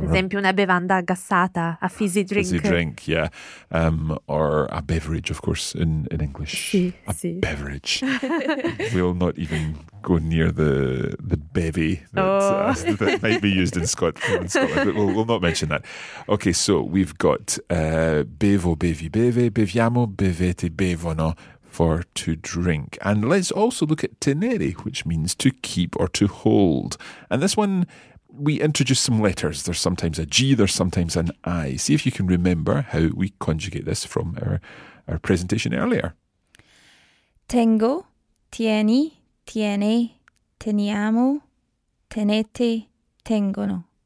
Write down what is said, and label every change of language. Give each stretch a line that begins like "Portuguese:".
Italian: Per esempio, una bevanda gassata,
English: a fizzy drink. Fizzy drink, yeah. Or a beverage, of course, in English. Sí, a sí. Beverage. We'll not even go near the bevy that might be used in Scotland, but we'll not mention that. Okay, so we've got
Italian: bevo, bevi, beve, beviamo, bevete, bevono.
English: For to drink. And let's also look at tenere, which means to keep or to hold. And this one, we introduce some letters. There's sometimes a G, there's sometimes an I. See if you can remember how we conjugate this from our presentation earlier.
Italian: Tengo, tieni, tiene, teniamo, tenete, tengono.